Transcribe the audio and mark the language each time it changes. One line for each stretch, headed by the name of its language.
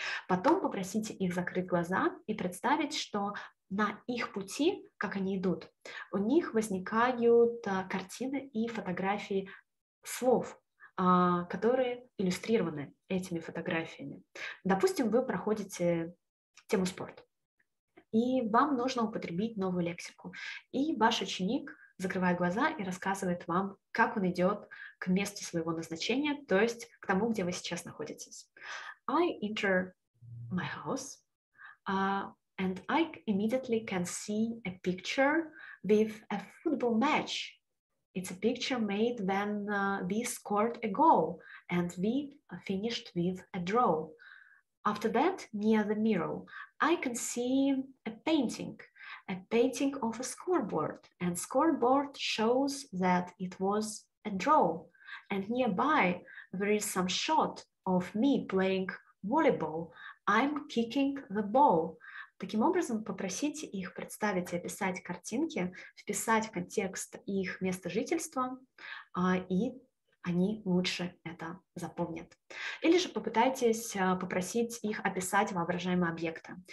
Russian: Потом попросите их закрыть глаза и представить, что на их пути, как они идут, у них возникают картины и фотографии слов, которые иллюстрированы этими фотографиями. Допустим, вы проходите тему спорт, и вам нужно употребить новую лексику, и ваш ученик закрывает глаза и рассказывает вам, как он идет к месту своего назначения, то есть к тому, где вы сейчас находитесь.
English: I enter my house, and I immediately can see a picture with a football match. It's a picture made when we scored a goal and we finished with a draw. After that, near the mirror, I can see a painting of a scoreboard, and scoreboard shows that it was a draw. And nearby, there is some shot of me playing volleyball. I'm kicking the ball.
Russian: Таким образом, попросите их представить и описать картинки, вписать в контекст их места жительства, и они лучше это запомнят. Или же попытайтесь попросить их описать воображаемые объекты.